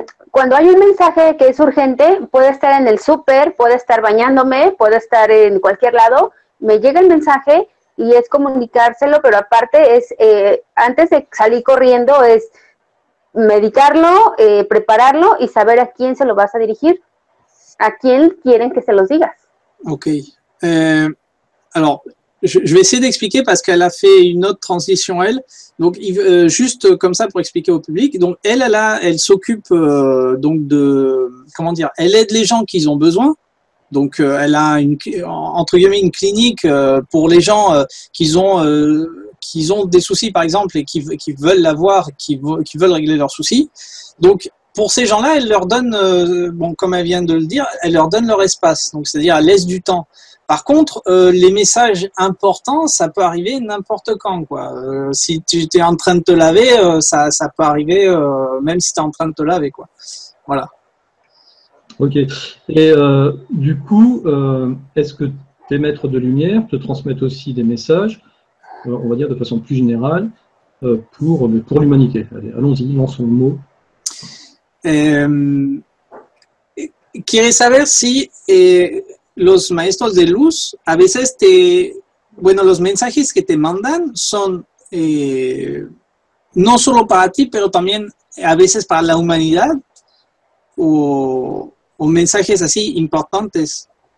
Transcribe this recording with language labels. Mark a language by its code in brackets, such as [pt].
[es] Cuando hay un mensaje que es urgente, puedo estar en el súper, puedo estar bañándome, puedo estar en cualquier lado, me llega el mensaje y es comunicárselo, pero aparte es, antes de salir corriendo, es meditarlo, prepararlo y saber a quién se lo vas a dirigir, a quién quieren que se los digas. Ok. [fr] Alors, je vais essayer d'expliquer parce qu'elle a fait une autre transition, elle. Donc, juste comme ça pour expliquer au public. Donc, elle s'occupe donc de, comment dire, elle aide les gens qui ont besoin. Donc, elle a une, entre guillemets, une clinique pour les gens qui ont des soucis, par exemple, et qui veulent l'avoir, qui veulent régler leurs soucis. Donc, pour ces gens-là, elle leur donne, bon, comme elle vient de le dire, elle leur donne leur espace. Donc, c'est-à-dire, elle laisse du temps. Par contre, les messages importants, ça peut arriver n'importe quand, quoi. Si tu es en train de te laver, ça peut arriver même si tu es en train de te laver, quoi. Voilà. Ok. Et du coup, est-ce que tes maîtres de lumière te transmettent aussi des messages, on va dire de façon plus générale, pour l'humanité ? Allez, allons-y, lançons le mot. [es] Quiere saber si los maestros de luz, a veces te, bueno, los mensajes que te mandan son no solo para ti, pero también a veces para la humanidad, o mensajes así importantes.